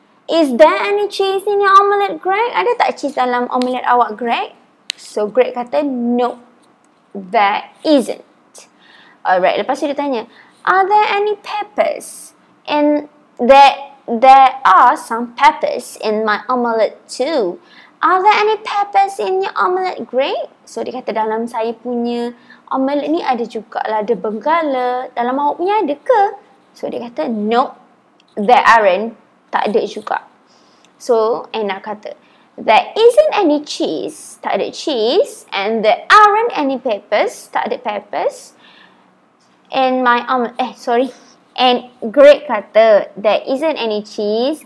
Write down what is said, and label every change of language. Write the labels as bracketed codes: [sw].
[en] Is there any cheese in your omelette, Greg? [ms] Ada tak cheese dalam omelette awak, Greg? [en] So, Greg kata, no, there isn't. Alright, [ms] lepas tu dia tanya, [en] are there any peppers? And there are some peppers in my omelette too. Are there any peppers in your omelette, Greg? [ms] So, dia kata dalam saya punya omelette ni ada juga lada benggala. Dalam awak punya ada ke? So, dia kata, [en] no, there aren't. [ms] Tak ada juga. [en] So, Anna kata, there isn't any cheese. [ms] Tak ada cheese. [en] And there aren't any peppers. [ms] Tak ada peppers. [en] And my omelette, And Greg kata, there isn't any cheese.